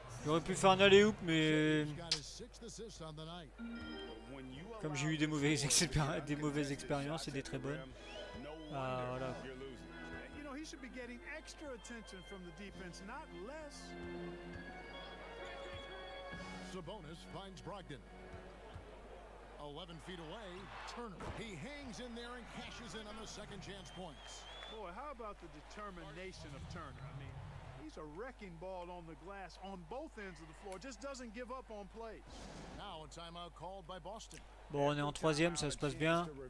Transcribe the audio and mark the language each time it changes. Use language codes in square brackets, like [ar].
[fr] J'aurais pu faire un alley-oop, mais comme j'ai eu des mauvaises expériences et des très bonnes, voilà. [en] You know, he should be getting extra attention from the defense, not less. Sabonis finds Brogdon. 11 feet away, Turner. He hangs in there and cashes in on the second chance points. Boy, how about the determination of Turner? I mean, he's a wrecking ball on the glass on both ends of the floor. Just doesn't give up on plays. Now a timeout called by Boston. [fr] Bon, on est en troisième, ça se passe bien.